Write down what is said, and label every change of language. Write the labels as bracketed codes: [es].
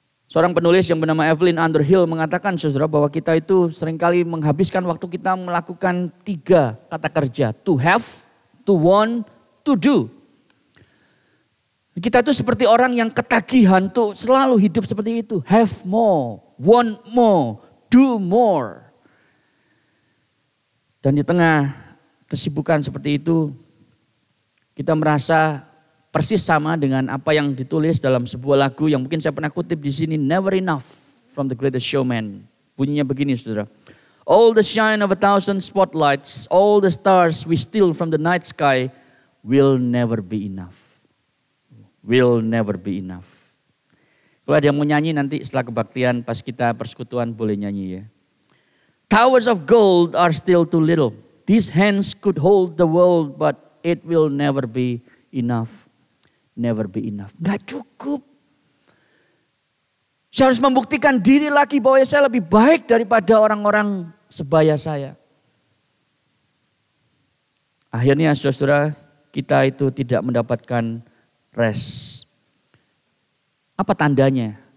[id] Seorang penulis yang bernama Evelyn Underhill mengatakan, saudara, bahwa kita itu seringkali menghabiskan waktu kita melakukan tiga kata kerja. [en] To have, to want, to do. [id] Kita itu seperti orang yang ketagihan tuh selalu hidup seperti itu. [en] Have more, want more, do more. [id] Dan di tengah kesibukan seperti itu, kita merasa persis sama dengan apa yang ditulis dalam sebuah lagu yang mungkin saya pernah kutip di sini, Never Enough from the Greatest Showman. Bunyinya begini, saudara. [en] All the shine of a thousand spotlights, all the stars we steal from the night sky will never be enough. Will never be enough. [id] Kalau ada yang mau nyanyi nanti setelah kebaktian, pas kita persekutuan boleh nyanyi ya. [en] Towers of gold are still too little. These hands could hold the world, but it will never be enough. Never be enough. [id] Gak cukup. Saya harus membuktikan diri lagi bahwa saya lebih baik daripada orang-orang sebaya saya. Akhirnya saudara-saudara, kita itu tidak mendapatkan rest. Apa tandanya?